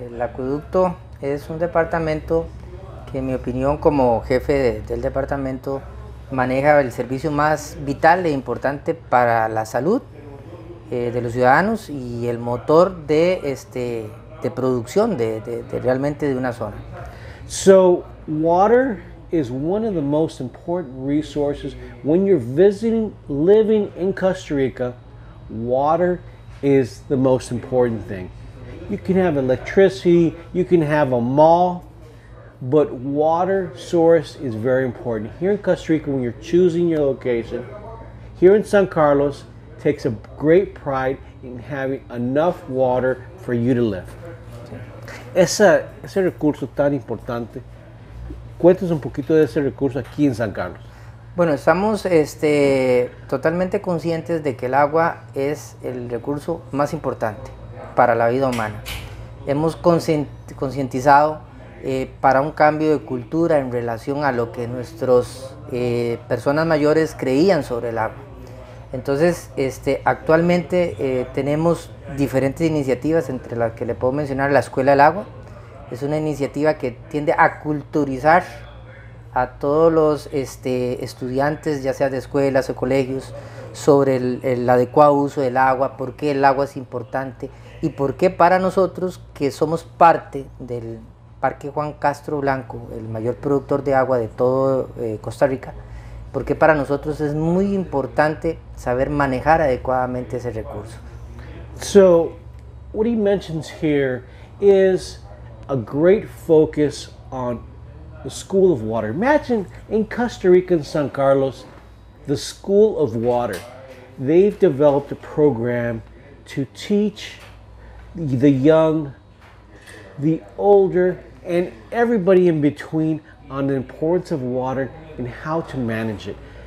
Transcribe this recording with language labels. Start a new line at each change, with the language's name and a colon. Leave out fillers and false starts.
Spanish: El acueducto es un departamento que, en mi opinión, como jefe del departamento, maneja el servicio más vital e importante para la salud de los ciudadanos y el motor de producción de realmente de una zona.
English: So, water is one of the most important resources. When you're visiting, living in Costa Rica, water is the most important thing. You can have electricity, you can have a mall, but water source is very important. Here in Costa Rica, when you're choosing your location, here in San Carlos, takes a great pride in having enough water for you to live.
Spanish: Ese recurso tan importante. Cuéntanos un poquito de ese recurso aquí en San Carlos. Bueno, estamos totalmente conscientes de que el agua es el recurso más importante para la vida humana. Hemos concientizado para un cambio de cultura en relación a lo que nuestros personas mayores creían sobre el agua. Entonces, actualmente tenemos diferentes iniciativas, entre las que le puedo mencionar la Escuela del Agua. Es una iniciativa que tiende a culturizar a todos los estudiantes, ya sea de escuelas o colegios, sobre el adecuado uso del agua, por qué el agua es importante y por qué para nosotros, que somos parte del Parque Juan Castro Blanco, el mayor productor de agua de todo Costa Rica, porque para nosotros es muy importante saber manejar adecuadamente ese recurso.
English: So, what he mentions here is a great focus on the School of Water. Imagine in Costa Rica and San Carlos, the School of Water. They've developed a program to teach the young, the older, and everybody in between on the importance of water and how to manage it.